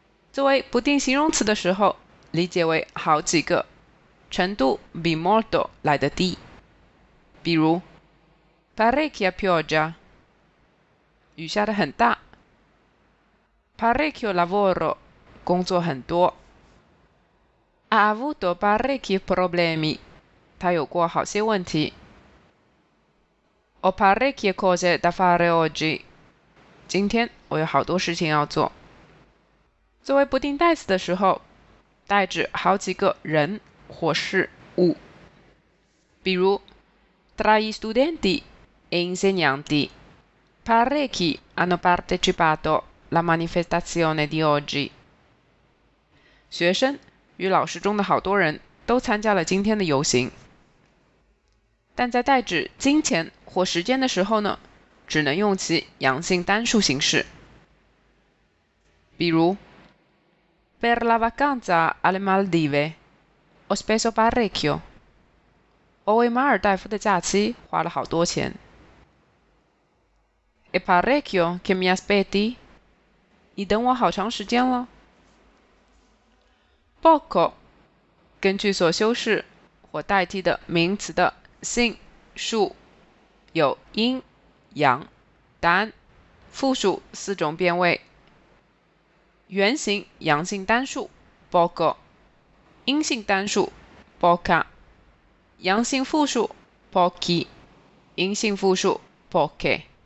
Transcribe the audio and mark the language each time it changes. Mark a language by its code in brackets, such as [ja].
[zh] 作为不定形容词的时候，理解为好几个，程度比 molto 来得低。比如 [it] parecchia pioggia， [zh] 雨下得很大。 [it] parecchio lavoro， [zh] 工作很多。 [it] Ha avuto parecchi problemi， [zh] 他有过好些问题。 [it] Ho parecchie cose da fare oggi， [zh] 今天我有好多事情要做。 [it] 作为不定代词的时候，代指好几个人或事物。比如 Tra i studenti e insegnanti parecchi hanno partecipato alla manifestazione di oggi， [zh] 学生与老师中的好多人都参加了今天的游行。但在代指金钱或时间的时候呢，只能用其阳性单数形式。 [it] 比如 Per la vacanza alle Maldive ho speso parecchio， [zh] 我为马尔代夫的假期花了好多钱。 [it] E parecchio che mi aspetti， [zh] 你等我好长时间了。 Poco， 根据所修饰或代替的名词的 sin 数，有阴、阳、单、复数四种变位。原型阳性单数 poco， 阴性单数 poca， 阳性复数 pochi， 阴性复数 poche。